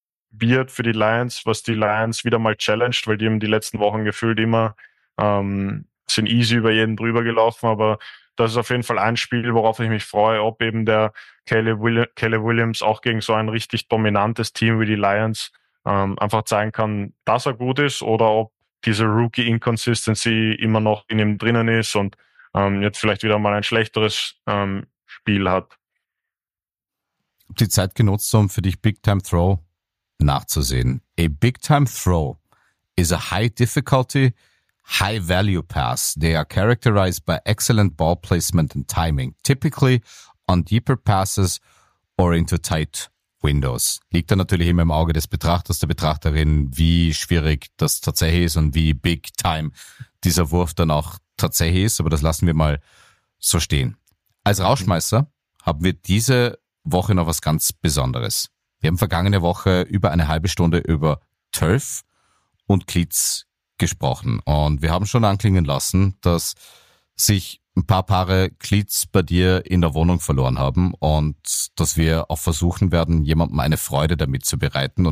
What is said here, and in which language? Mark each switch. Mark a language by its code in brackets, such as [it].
[de] wird für die Lions, was die Lions wieder mal challenged, weil die haben die letzten Wochen gefühlt immer sind easy über jeden drüber gelaufen, aber das ist auf jeden Fall ein Spiel, worauf ich mich freue, ob eben der Caleb Williams auch gegen so ein richtig dominantes Team wie die Lions einfach zeigen kann, dass er gut ist oder ob diese Rookie-Inconsistency immer noch in ihm drinnen ist und jetzt vielleicht wieder mal ein schlechteres Spiel hat. Die Zeit genutzt, um für dich Big-Time-Throw nachzusehen. [en] A Big-Time-Throw is a high-difficulty, high-value-pass. They are characterized by excellent ball placement and timing, typically on deeper passes or into tight Windows. [de] Liegt dann natürlich immer im Auge des Betrachters, der Betrachterin, wie schwierig das tatsächlich ist und wie big time dieser Wurf dann auch tatsächlich ist, aber das lassen wir mal so stehen. Als Rausschmeißer haben wir diese Woche noch was ganz Besonderes. Wir haben vergangene Woche über eine halbe Stunde über Turf und Cleats gesprochen und wir haben schon anklingen lassen, dass sich ein paar Paare Cleats bei dir in der Wohnung verloren haben und dass wir auch versuchen werden, jemandem eine Freude damit zu bereiten.